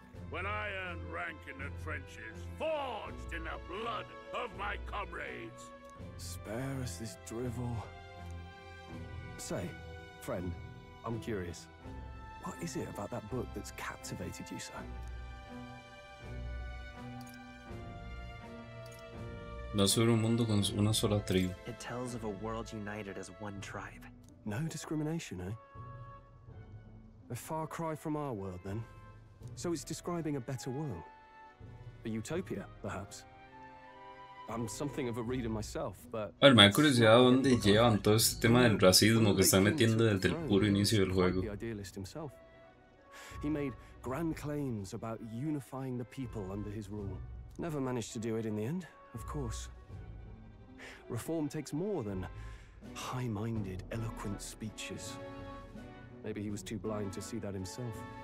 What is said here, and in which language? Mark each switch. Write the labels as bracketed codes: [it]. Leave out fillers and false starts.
[en] When I earned rank in the trenches, forged in the blood of my comrades. Spare us this drivel. Say, friend, I'm curious. What is it about that book that's captivated you so? [es] No sobre un mundo con una sola tribu. [en] It tells of a world united as one tribe. No discrimination, eh? A far cry from our world, then. So it's describing a better world. A utopia, perhaps. I'm something of a reader myself, but... [es] A ver, me da curiosidad dónde llevan todo este tema del racismo que están metiendo desde el puro inicio del juego. [en] The idealist himself. He made grand claims about unifying the people under his rule. Never managed to do it in the end, of course. Reform takes more than high-minded, eloquent speeches. Maybe he was too blind to see that himself.